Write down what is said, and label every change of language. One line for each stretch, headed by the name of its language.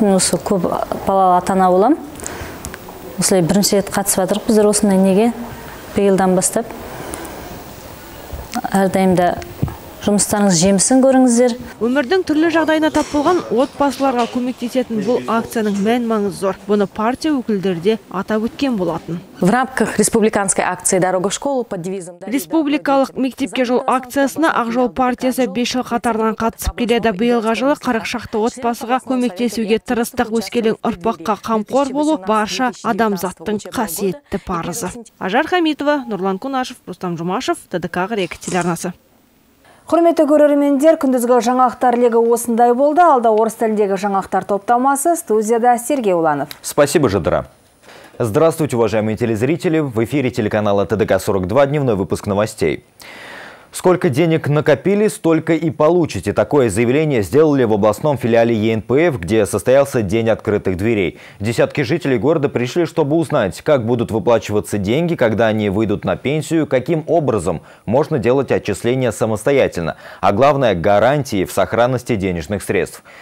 Kazakh: Мен осы көп балалы ата-ана боламын. Осылай бірінші рет қатысып отырмыз біздер осындай неге биылдан бастап. Әрдайым да жұмыстарыңыз жемісін көріңіздер. Өмірдің түрлі жағдайына тап болған отбасыларға көмектесетін бұл акцияның мән-маңыз зор. Бұны партия өкілдері де атап өткен болатын.
Russian: В рамках республиканской акции «Дорога в школу» под девизом
Kazakh: республикалық мектепке жол акциясына Ақжол партиясы 5 жыл қатарынан қатысып келеді. Биылғы жылы 40 шақты отбасыға көмектесуге тырыстық. Өскелең ұрпаққа қамқор болу барша адамзаттың қасиетті парызы. Ажар Хамитова, Нұрлан Кунашев, Рустам Жумашев, ТДК Ағырек телеарнасы. Құрметті көрермендер, күндізгі жаңалықтар легі осындай болды. Алда орыс тіліндегі жаңалықтар топтамасы студияда Сергей Уланов.
Russian: Спасибо, Жадыра. Здравствуйте, уважаемые телезрители. В эфире телеканала ТДК 42, дневной выпуск новостей. Сколько денег накопили, столько и получите. Такое заявление сделали в областном филиале ЕНПФ, где состоялся день открытых дверей. Десятки жителей города пришли, чтобы узнать, как будут выплачиваться деньги, когда они выйдут на пенсию, каким образом можно делать отчисления самостоятельно, а главное – гарантии в сохранности денежных средств.